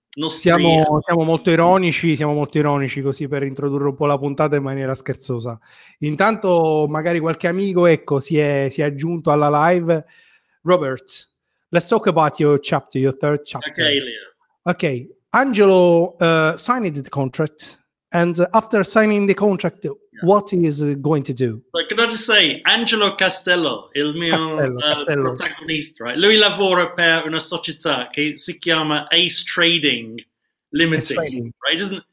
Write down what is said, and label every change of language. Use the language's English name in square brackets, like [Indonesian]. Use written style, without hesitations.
[Italian] Siamo molto ironici così per introdurre un po' la puntata in maniera scherzosa. Intanto magari qualche amico, ecco, si è aggiunto alla live. [English] Robert, let's talk about your third chapter. Okay, Leo. Okay, Angelo signed the contract, and after signing the contract, yeah, what is going to do? Like, can I just say, Angelo Castello, Castello. Protagonista, right? [Italian] Lui lavora per una società che si chiama Ace Trading Limited. Ace Trading. Right?